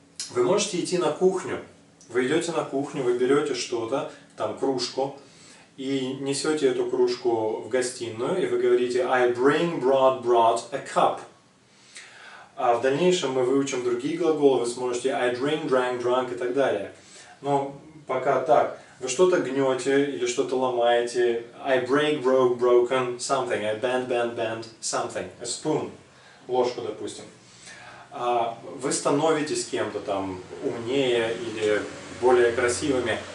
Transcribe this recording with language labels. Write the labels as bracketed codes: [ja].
[ru] Вы можете идти на кухню. Вы идете на кухню, вы берете что-то, там кружку, и несете эту кружку в гостиную, и вы говорите [en] «I bring brought a cup». [ru] А в дальнейшем мы выучим другие глаголы, вы сможете [en] «I drink, drank, drunk» [ru] и так далее. Но пока так. Вы что-то гнете или что-то ломаете. [en] I break, broke, broken something. I bend something. A spoon. [ru] Ложку, допустим. Вы становитесь кем-то там умнее или более красивыми.